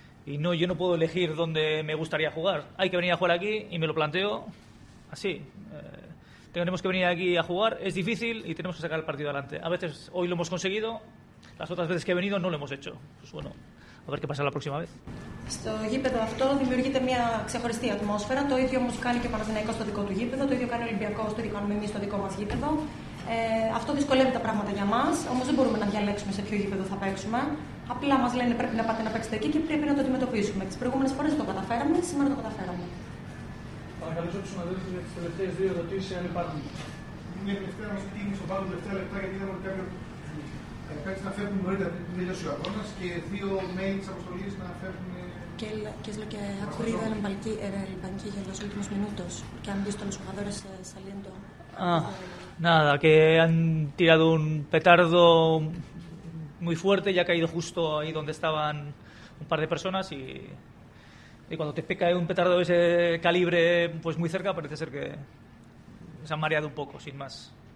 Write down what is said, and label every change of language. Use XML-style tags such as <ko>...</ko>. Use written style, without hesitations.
<es>Y no, yo no puedo elegir dónde me gustaría jugar. Hay que venir a jugar aquí y me lo planteo así. Tenemos que venir aquí a jugar, es difícil y tenemos que sacar el partido adelante. A veces hoy lo hemos conseguido, las otras veces que he venido no lo hemos hecho. Pues bueno, a ver qué pasa la próxima vez.</es> <el>Στο γήπεδο αυτό δημιουργείται μια ξεχωριστή ατμόσφαιρα. Το ίδιο όμως κάνει και ο Παναθηναϊκός στο δικό του γήπεδο, το ίδιο κάνει ο Ολυμπιακός, το ίδιο κάνουμε εμείς στο δικό μας γήπεδο. Αυτό δυσκολεύει τα πράγματα για μας, όμως δεν μπορούμε να διαλέξουμε σε ποιο γήπεδο θα παίξουμε. Απλά μας λένε πρέπει να πάτε να παίξετε εκεί και πρέπει να το αντιμετωπίσουμε. Τις προηγούμενες φορές το καταφέραμε, σήμερα το καταφέραμε. Παρακαλώ τους συναδέλφους για τις τελευταίες 2 ερωτήσεις, αν υπάρχουν. Μια τελευταία μας τίμη στο πάνω τελευταία λεπτά, γιατί είδαμε ότι κάποιοι να φεύγουν νωρίτερα πριν τελειώσει ο αγώνας και 2 mail της αποστολής να φέρουν.</el> <es>¿Qué es lo que ha ocurrido en el banquillo en los últimos minutos? ¿Qué han visto los jugadores saliendo? Nada, que han tirado un petardo muy fuerte y ha caído justo ahí donde estaban un par de personas. Y cuando te cae un petardo de ese calibre, pues muy cerca, parece ser que se han mareado un poco, sin más.</es>